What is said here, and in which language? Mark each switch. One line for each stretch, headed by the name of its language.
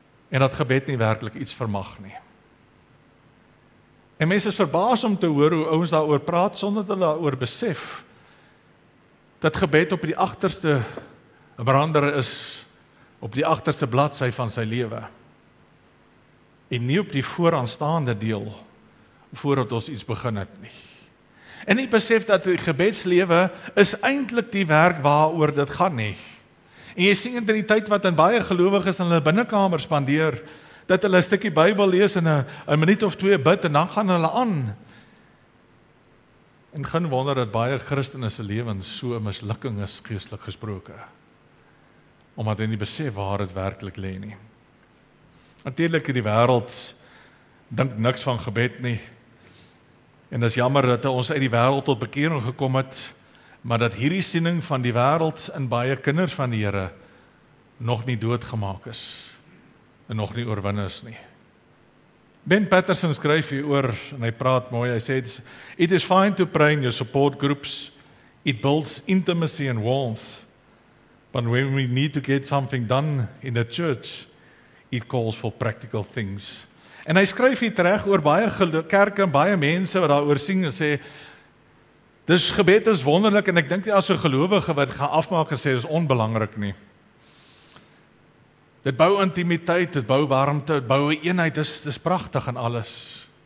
Afrikaans: En dat gebed nie werklik iets vermag nie. En mense is verbaas om te hoor hoe ouens daaroor praat sonder dat hulle daaroor besef dat gebed op die agterste brander is, op die agterste bladsy van sy lewe. En nie op die vooraanstaande deel voordat ons iets begin het nie. En nie besef dat die gebedslewe is eintlik die werk waaroor dit gaan nie. En jy sien dit in die tyd wat in baie gelowiges in hulle binnekamer spandeer, dat hulle een stukkie Bybel lees en een minuut of twee bid en dan gaan hulle aan. En gaan wonder dat baie Christenese lewens so 'n mislukking is geestelik gesproke. Omdat hulle nie besef waar dit werklik lê nie. Natuurlik in die wêreld dink niks van gebed nie. En dis jammer dat ons uit die wêreld tot bekering gekom het, maar dat hierdie siening van die wêreld in baie kinders van die Here nog nie doodgemaak is en nog nie oorwin is nie.
English: Ben Patterson
Afrikaans: skryf hier oor, en hy praat mooi, hy sê,
English: it is fine to pray in your support groups, it builds intimacy and warmth, but when we need to get something done in the church, it calls for practical things.
Afrikaans: En hy skryf hier terug oor baie kerke en baie mense wat daar oor sien en sê, dis gebed is wonderlik, en ek dink nie as 'n gelowige wat gaan afmaak en sê, is onbelangrik nie. Dit bou intimiteit, dit bou warmte, dit bou eenheid, dis prachtig en alles.